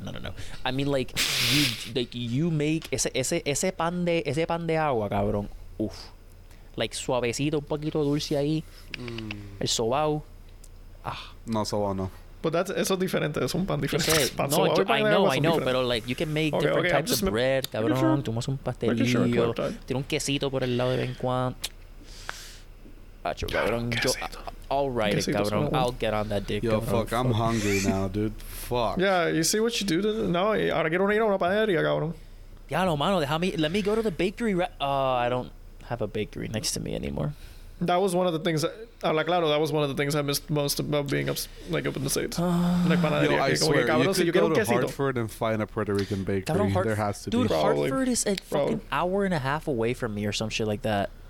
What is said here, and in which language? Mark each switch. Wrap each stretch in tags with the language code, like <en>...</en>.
<en>No. I mean like you make</en> <es>ese pan de agua, cabrón.</es> <en>Uf.</en> <es>Like suavecito, un poquito dulce ahí. Mm. El sobao. Ah. No sobao, no.</es> <en>But that's</en> <es>eso diferente. Es un pan diferente.</es> <en>No, I know, but like you can make different types of bread, cabrón. Sure.</en> <es>Tomas un pastelillo.</es> <en>Sure.</en> <es>Tiene un quesito por el lado de vez en cuando. Acho, cabrón. Yo,</es> <en>All right, Governor, I'll get on that dick. Yo, fuck, I'm hungry now, dude. Fuck. Yeah, you see what you do?</en> <es>No, ahora quiero ir a una panadería, Governor. Ya no, mano,</es> <en>let me go to the bakery. I don't have a bakery next to me anymore. That was one of the things that, like, claro, that was one of the things I missed most about being up, like, up in the States. Like, yo, I swear, you could go to Hartford and find a Puerto Rican bakery. Hartford is a fucking hour and a half away from me or some shit like that.</en>